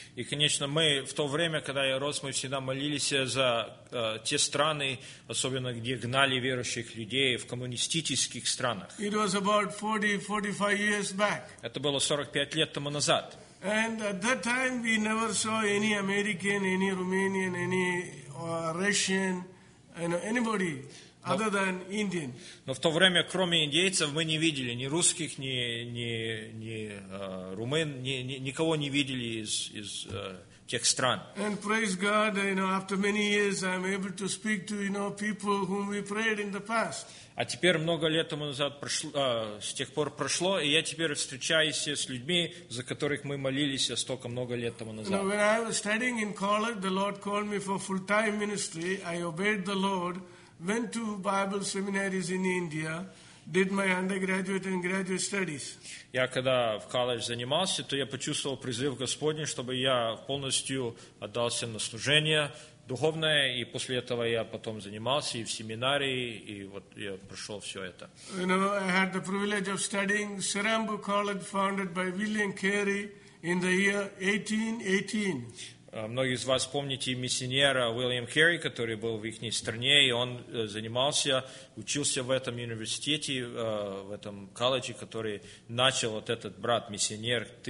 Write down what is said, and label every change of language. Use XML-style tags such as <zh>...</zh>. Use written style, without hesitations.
<ru>И, конечно, мы в то время, когда я рос, мы всегда молились за те страны, особенно где гнали верующих людей в коммунистических странах.</ru> <en>It was about 40-45 years back.</en> <ru>Это было 45 лет тому назад.</ru> <en>And at that time we never saw any American, any Romanian, any Russian, anybody. Other than Indian.</en> <ru>Но в то время, кроме индейцев, мы не видели ни русских, ни румын, никого не видели из тех стран.</ru> <en>And praise God, you know, after many years, I'm able to speak to, you know, people whom we prayed in the past.</en> <ru>А теперь много лет тому назад прошло, с тех пор прошло, и я теперь встречаюсь с людьми, за которых мы молились столько много лет тому назад.</ru> <en>Now, when I was studying in college, the Lord called me for full-time ministry. I obeyed the Lord. Went to Bible seminaries in India, did my undergraduate and graduate studies.</en> <ru>Я когда в колледж занимался, то я почувствовал призыв Господень, чтобы я полностью отдался на служение духовное, и после этого я потом занимался и в семинарии, и вот я прошел все это.</ru> <en>You know, I had the privilege of studying Serambu College, founded by William Carey in the year 1818.</en> <ru>Многие из вас помните миссионера Уильям Керри, который был в их стране, и он занимался, учился в этом университете, в этом колледже, который начал вот этот брат-миссионер</ru>